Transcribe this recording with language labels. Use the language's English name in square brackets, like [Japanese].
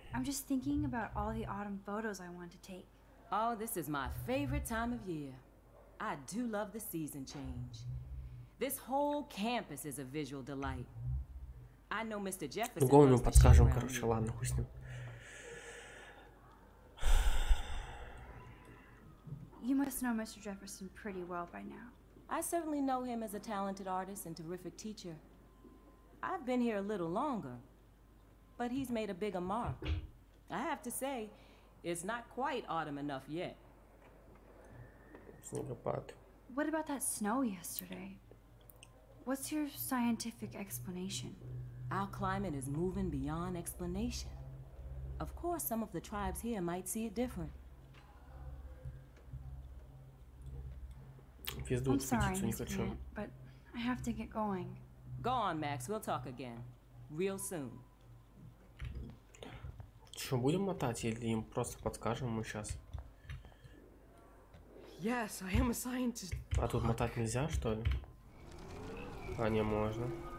[English] I'm just thinking about all the autumn photos I want to take. Oh, this is my favorite time of year. I do love the season change. This whole campus is a visual delight. I know Mr. Jefferson. [Russian] Голову ему подскажем, короче, ладно, хуй с ним. [English] You must know Mr. Jefferson pretty well by now. I certainly know him as a talented artist and terrific teacher. I've been here a little longer, but he's made a bigger mark. I have to say, it's not quite autumn enough yet. [Russian] Снегопад. [English] What about that snow yesterday? What's your scientific explanation? Our climate is moving beyond explanation. Of course, some of the tribes here might see it different. I'm sorry, Miss Grant, but I have to get going. Go on, Max. We'll talk again. Real soon. [Russian] Что, будем мотать или им просто подскажем ему сейчас? [English] Yes, I am a scientist. [Russian] А тут мотать нельзя, что ли? А не, можно.